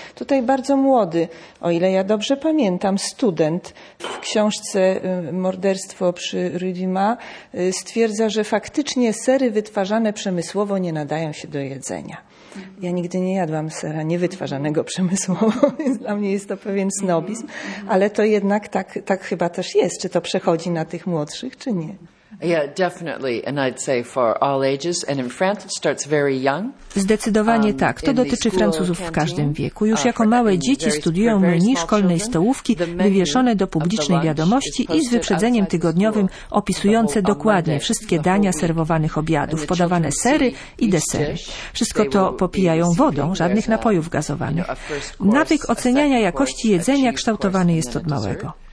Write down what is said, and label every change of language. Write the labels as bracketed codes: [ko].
[pl] Tutaj bardzo młody, o ile ja dobrze pamiętam, student w książce Morderstwo przy Rydima stwierdza, że faktycznie sery wytwarzane przemysłowo nie nadają się do jedzenia. Ja nigdy nie jadłam sera niewytwarzanego przemysłowo, więc dla mnie jest to pewien snobizm. Ale to jednak tak chyba też jest. Czy to przechodzi na tych młodszych, czy nie? [en] Yeah, definitely, and I'd say for all ages, and in France it starts very young. [pl] Zdecydowanie tak. To dotyczy Francuzów w każdym wieku. Już jako małe dzieci studiują menu szkolnej stołówki wywieszone do publicznej wiadomości i z wyprzedzeniem tygodniowym opisujące dokładnie wszystkie dania serwowanych obiadów, podawane sery i desery. Wszystko to popijają wodą, żadnych napojów gazowanych. Nawyk oceniania jakości jedzenia kształtowany jest od małego.